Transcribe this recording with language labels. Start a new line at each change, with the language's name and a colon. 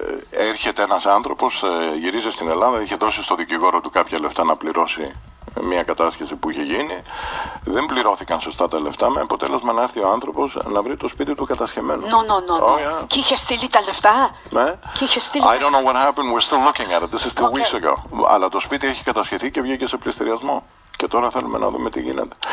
Greek: Έρχεται ένας άνθρωπος, γυρίζει στην Ελλάδα, είχε δώσει στο δικηγόρο του κάποια λεφτά να πληρώσει μια κατάσχεση που είχε γίνει, δεν πληρώθηκαν σωστά τα λεφτά, με αποτέλεσμα να έρθει ο άνθρωπος να βρει το σπίτι του κατασχεμένο. Και είχε στείλει τα λεφτά.
English: I don't know what happened, we're still looking at it, this is 2 weeks ago.
Greek: Αλλά το σπίτι έχει κατασχεθεί και βγήκε σε πληστηριασμό. Και τώρα θέλουμε να δούμε τι γίνεται.